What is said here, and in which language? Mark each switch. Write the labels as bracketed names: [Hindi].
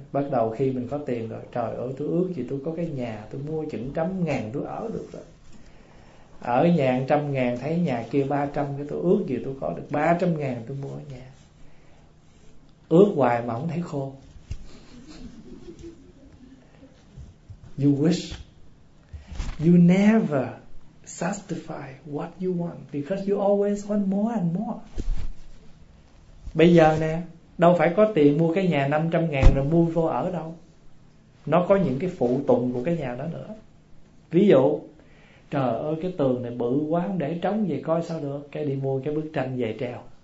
[Vietnamese] Bắt đầu khi mình có tiền rồi, trời ơi tôi ước gì tôi có cái nhà, tôi mua chừng 100 ngàn tôi ở được rồi. Ở nhà 100 ngàn, thấy nhà kia 300, cái tôi ước gì tôi có được 300 ngàn tôi mua nhà. Ước hoài mà không thấy khô. [English] You wish, you never satisfy what you want, because you always want more and more. [Vietnamese] Bây giờ nè, đâu phải có tiền mua cái nhà 500 ngàn rồi mua vô ở đâu. Nó có những cái phụ tùng của cái nhà đó nữa. Ví dụ, trời ơi cái tường này bự quá, không để trống về coi sao được, cái đi mua cái bức tranh về treo.